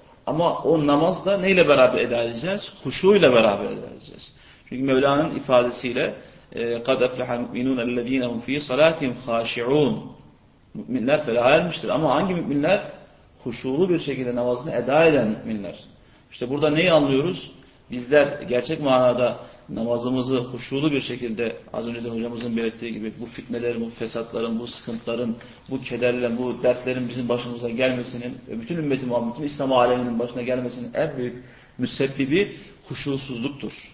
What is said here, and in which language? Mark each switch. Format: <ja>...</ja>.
<tr>Ama o namaz da neyle beraber eda edeceğiz? Huşuyla beraber eda edeceğiz. Çünkü Mevla'nın ifadesiyle</tr> <ar>قَدْ اَفْلَحَ الْمُؤْمِنُونَ الَّذ۪ينَ هُمْ ف۪ي صَلَاتِهِمْ خَاشِعُونَ</ar> <tr>Müminler felaha ermiştir. Ama hangi müminler? Huşulu bir şekilde namazını eda eden müminler. İşte burada neyi anlıyoruz? Bizler gerçek manada namazımızı huşulu bir şekilde az önce de hocamızın belirttiği gibi bu fitnelerin, bu fesatların, bu sıkıntıların, bu kederlerin, bu dertlerin bizim başımıza gelmesinin ve bütün ümmeti Muhammed'in İslam aleminin başına gelmesinin en büyük müsebbibi huşulsuzluktur.</tr>